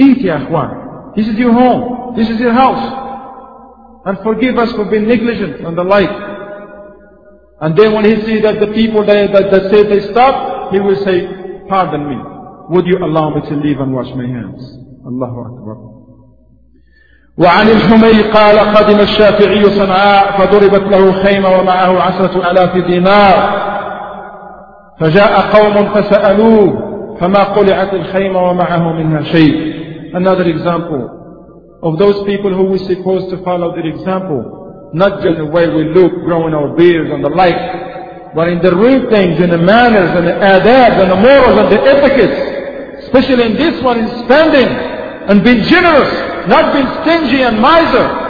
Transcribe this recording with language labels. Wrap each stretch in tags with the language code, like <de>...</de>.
<en>Eat, ya akhwan. This is your home. This is your house. And forgive us for being negligent and the like. And then when he sees that the people that say they stop, he will say, pardon me. Would you allow me to leave and wash my hands? Allahu Akbar.</en> <ar>وعن الحمي قال قدم الشافعي صنعاء فضربت له خيمة ومعه 10,000 دينار فجاء قوم فسألوه فما قلعت الخيمة ومعه منها شيء.</ar> <en>Another example of those people who were supposed to follow their example, not just the way we look, growing our beards and the like, but in the real things, in the manners and the adab and the morals and the etiquette, especially in this one, in spending and being generous, not being stingy and miser.</en>